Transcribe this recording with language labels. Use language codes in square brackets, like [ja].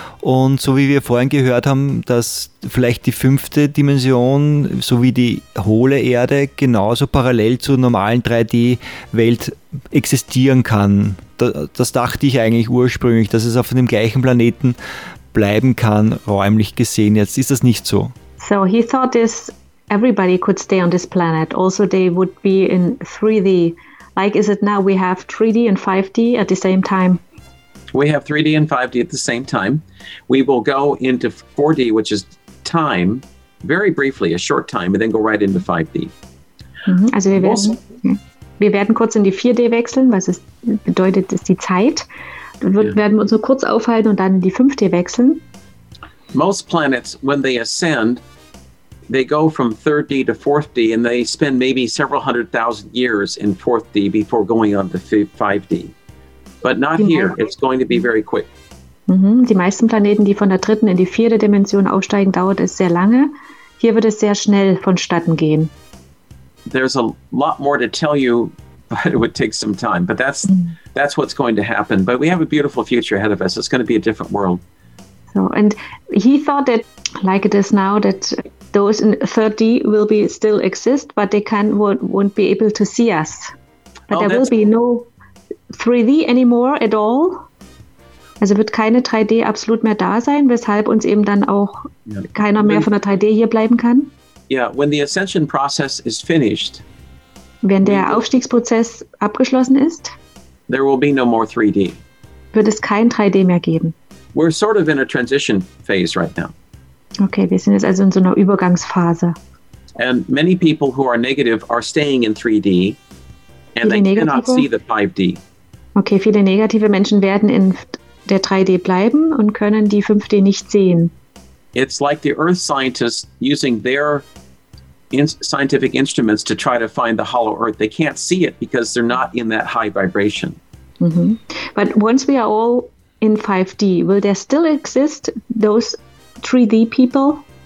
[de] Und so wie wir vorhin gehört haben, dass vielleicht die fünfte Dimension, so wie die hohle Erde, genauso parallel zur normalen 3D-Welt existieren kann. Das dachte ich eigentlich ursprünglich, dass es auf dem gleichen Planeten bleiben kann, räumlich gesehen. Jetzt ist das nicht so. [en] So he thought this everybody could stay on this planet. Also they would be in 3D. Like is it now we have 3D and 5D at the same time? We have 3D and 5D at the same time. We will go into 4D, which is time, very briefly, a short time, and then go right into 5D. Mm-hmm. [de] Also wir werden kurz in die 4D wechseln, was es bedeutet, ist die Zeit. Werden wir uns nur kurz aufhalten und dann in die 5D wechseln. [en] Most planets, when they ascend, they go from 3D to 4D and they spend maybe several hundred thousand years in 4D before going on to 5D. But not here. It's going to be very quick. Mm-hmm. [de] Die meisten Planeten, die von der dritten in die vierte Dimension aufsteigen, dauert es sehr lange. Hier wird es sehr schnell vonstatten gehen. [en] There's a lot more to tell you, but it would take some time. But that's what's going to happen. But we have a beautiful future ahead of us. It's going to be a different world. So, and he thought that, like it is now, that those in 3D will be still exist, but they won't be able to see us. But there will be no 3D anymore at all. [de] Also wird keine 3D absolut mehr da sein, weshalb uns eben dann auch keiner mehr von der 3D hier bleiben kann. [en] Yeah, when the ascension process is finished. [de] Wenn der Aufstiegsprozess abgeschlossen ist. [en] There will be no more 3D. [de] Wird es kein 3D mehr geben. [en] We're sort of in a transition phase right now. [de] Okay, wir sind jetzt also in so einer Übergangsphase. [en] And many people who are negative are staying in 3D and they negative? Cannot see the 5D. [de] Okay, viele negative Menschen werden in der 3D bleiben und können die 5D nicht sehen. [en] It's like the Earth scientists using their scientific instruments to try to find the hollow Earth. They can't see it because they're not in that high vibration. Mm-hmm. But once we are all in 5D, will there still exist those 3D people